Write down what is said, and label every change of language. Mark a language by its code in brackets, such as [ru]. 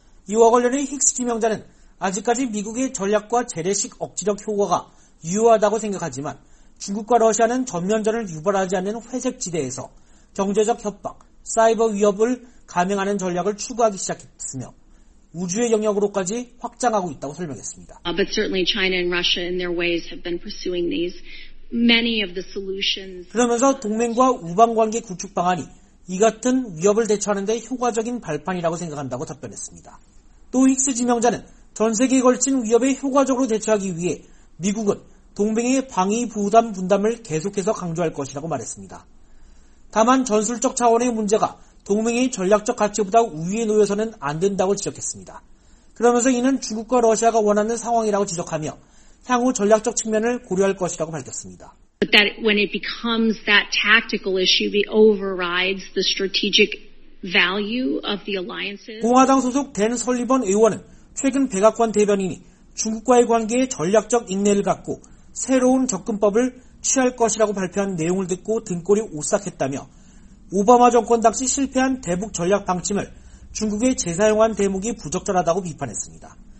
[ko] 이와 관련해 힉스 지명자는 아직까지 미국의 전략과 재래식 억지력 효과가 유효하다고 생각하지만 중국과 러시아는 전면전을 유발하지 않는 회색지대에서 경제적 협박, 사이버 위협을 감행하는 전략을 추구하기 시작했으며 우주의 영역으로까지 확장하고 있다고 설명했습니다. [en] But certainly China and Russia in their ways have been pursuing these. Many of the solutions. [ko] 그러면서 동맹과 우방관계 구축 방안이 이 같은 위협을 대처하는 데 효과적인 발판이라고 생각한다고 답변했습니다. 또 힉스 지명자는 전 세계에 걸친 위협에 효과적으로 대처하기 위해 미국은 동맹의 방위 부담 분담을 계속해서 강조할 것이라고 말했습니다. 다만 전술적 차원의 문제가 동맹의 전략적 가치보다 우위에 놓여서는 안 된다고 지적했습니다. 그러면서 이는 중국과 러시아가 원하는 상황이라고 지적하며 향후 전략적 측면을 고려할 것이라고 밝혔습니다. [en] But that when it becomes that tactical issue, it overrides the strategic value of the alliances. [ko] 공화당 소속 댄 설리번 의원은 최근 백악관 대변인이 중국과의 관계에 전략적 인내를 갖고 새로운 접근법을 취할 것이라고 발표한 내용을 듣고 등골이 오싹했다며 오바마 정권 당시 실패한 대북 전략 방침을 중국에 재사용한 대목이 부적절하다고 비판했습니다.